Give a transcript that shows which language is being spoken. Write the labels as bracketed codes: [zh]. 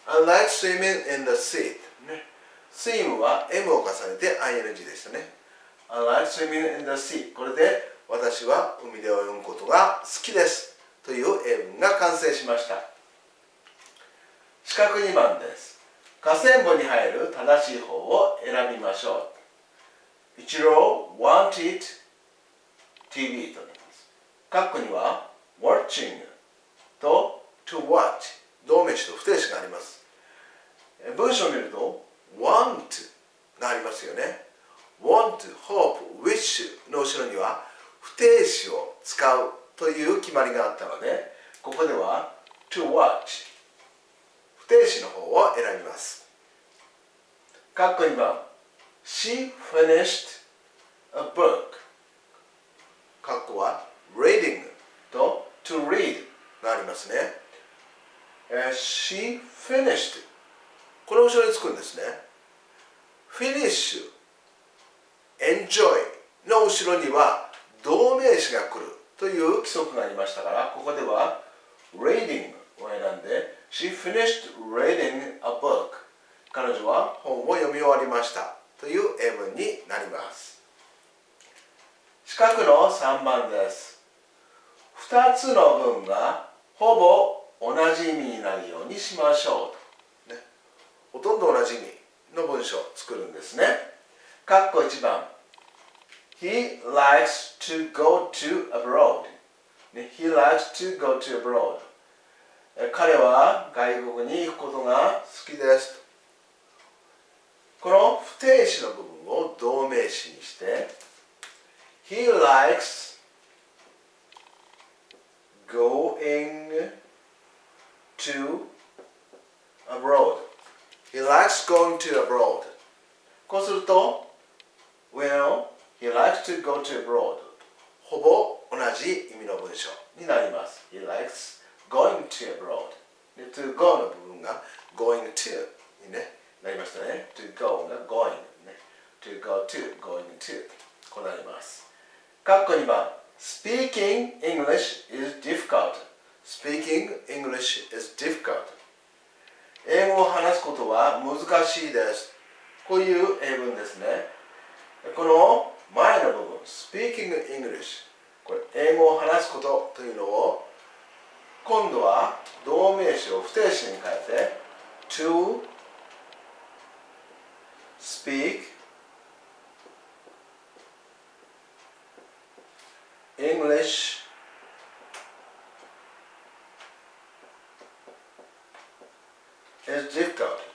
[en] I like swimming in the sea. [ja] Swim は M を重ねて ing でしたね。 [en] I like swimming in the sea. [ja] これで私は海で泳ぐことが好きですという英文が完成しました。四角2番です。下線簿に入る正しい方を選びましょう。一郎 wanted TV とあります。括弧には watching と to watch、 動名詞と不定詞があります。文章を見ると want がありますよね。 want、 hope、 wish の後ろには不定詞を使うという決まりがあったので、ここでは to watch、不定詞の方を選びます。 [en] 括弧2番、 She finished a book。 [ja] 括弧は reading と to read がありますね。 She finished、 この後ろにつくんですね。 finish、 enjoy の後ろには動名詞が来るという規則がありましたから、ここでは reading を選んで、 [en] She finished reading a book. [ja] 彼女は本を読み終わりましたという英文になります。四角の3番です。2つの文がほぼ同じ意味になるようにしましょうと、ね、ほとんど同じ意味の文章を作るんですね。括弧1番、 [en] He likes to go to abroad、 [ja] ね、He likes to go to abroad、彼は外国に行くことが好きです。この不定詞の部分を動名詞にして、 [en] He likes going to abroad. He likes going to abroad. [ja] こうすると [en] Well, he likes to go to abroad. [ja] ほぼ同じ意味の文章になります。 [en] He likesGoing to abroad. [ja] To go の部分が going to に、ね、なりましたね。 To go が going、ね。 [en] To go to, going to. [ja] こうなります。括弧2番。 [en] Speaking English is difficult. Speaking English is difficult. [ja] 英語を話すことは難しいです。こういう英文ですね。この前の部分、Speaking English。これ、英語を話すことというのを今度は動名詞を不定詞に変えて [en] to speak English is difficult.